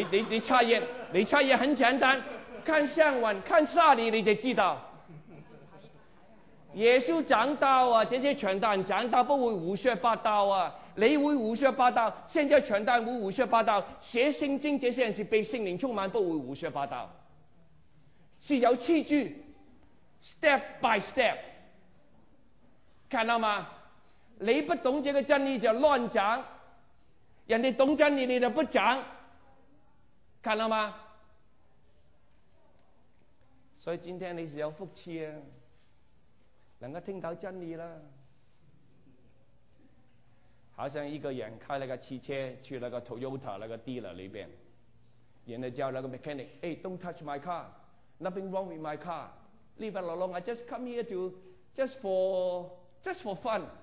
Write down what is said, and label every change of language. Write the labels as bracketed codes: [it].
[zh] 你查验，你查验很简单，看向晚，看下里，你就知道。耶稣讲道啊，这些传道人讲道不会胡说八道啊，你会胡说八道，现在传道会胡说八道，写圣经这些人是被圣灵充满，不会胡说八道，是有器具。 [en] Step by step， [zh] 看到吗？你不懂这个真理就乱讲，人家懂真理你就不讲，看到吗？所以今天你是有福气啊，能够听到真理了。好像一个人开了个汽车去那个 Toyota 那个 dealer 里边，人家叫那个 mechanic， 哎、 [en] hey, ，Don't touch my car， nothing wrong with my car。 Leave it alone. I just come here to just for fun.